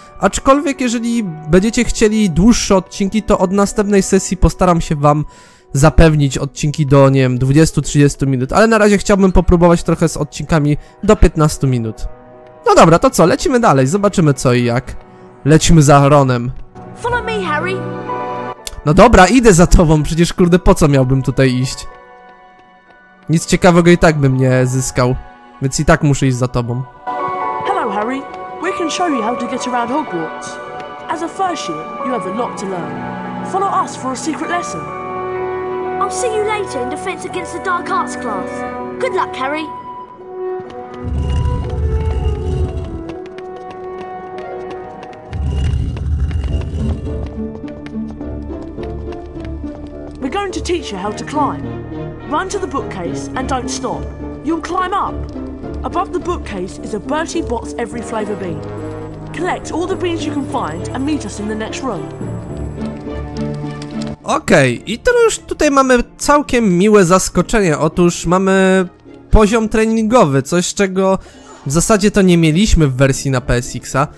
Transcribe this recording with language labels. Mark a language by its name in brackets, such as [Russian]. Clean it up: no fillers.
[Polish] Aczkolwiek jeżeli będziecie chcieli dłuższe odcinki, to od następnej sesji postaram się wam zapewnić odcinki do, nie wiem, 20-30 minut, ale na razie chciałbym popróbować trochę z odcinkami do 15 minut. No dobra, to co? Lecimy dalej, zobaczymy co i jak. Lecimy za Ronem. [English] Follow me, Harry. [Polish] No dobra, idę za tobą, przecież kurde, po co miałbym tutaj iść? Nic ciekawego i tak bym nie zyskał, więc i tak muszę iść za tobą. [English] Hello, Harry. We can show you how to get around Hogwarts. As a first year, you have a lot to learn. Follow us for a secret lesson. I'll see you later in Defense Against the Dark Arts class. Good luck, Harry. We're going to teach you how to climb. Run to the bookcase and don't stop. You'll climb up. Above the bookcase is a Bertie Bott's Every Flavor Bean. Collect all the beans you can find and meet us in the next room. [Polish] Okej, okay, i to już tutaj mamy całkiem miłe zaskoczenie. Otóż mamy poziom treningowy, coś czego w zasadzie to nie mieliśmy w wersji na PSX-a.